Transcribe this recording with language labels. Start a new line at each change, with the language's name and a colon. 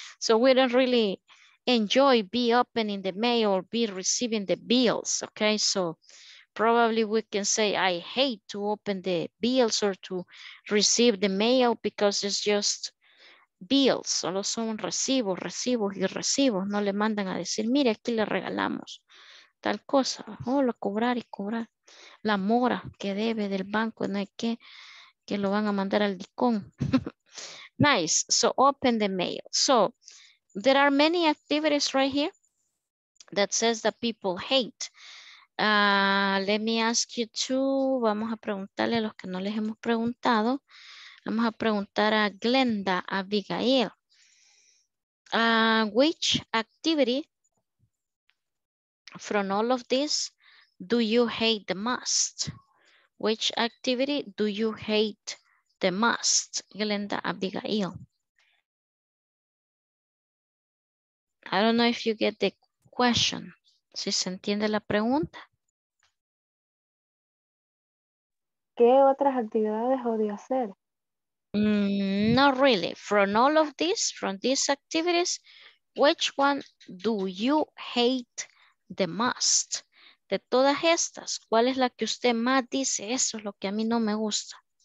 English: So we don't really enjoy be opening the mail or be receiving the bills, okay? So probably we can say I hate to open the bills or to receive the mail because it's just bills.
Spanish: Solo son recibos, recibos y recibos. No le mandan a decir, mire, aquí le regalamos tal cosa. Oh, lo cobrar y cobrar. La mora que debe del banco, no hay que lo van a mandar al licón.
English: Nice. So open the mail. So there are many activities right here that says that people hate. Let me ask you to,
Spanish: vamos a preguntarle a los que no les hemos preguntado. Vamos a preguntar a Glenda, a Abigail.
English: Which activity from all of this do you hate the most? Which activity do you hate the most? Glenda Abigail. I don't know if you get the question.
Spanish: ¿Sí se entiende la pregunta? ¿Qué otras actividades odio hacer?
English: Not really. From all of this, from these activities, which one do you hate the most?
Spanish: De todas estas, ¿cuál es la que usted más dice? Eso es lo que a mí no me gusta.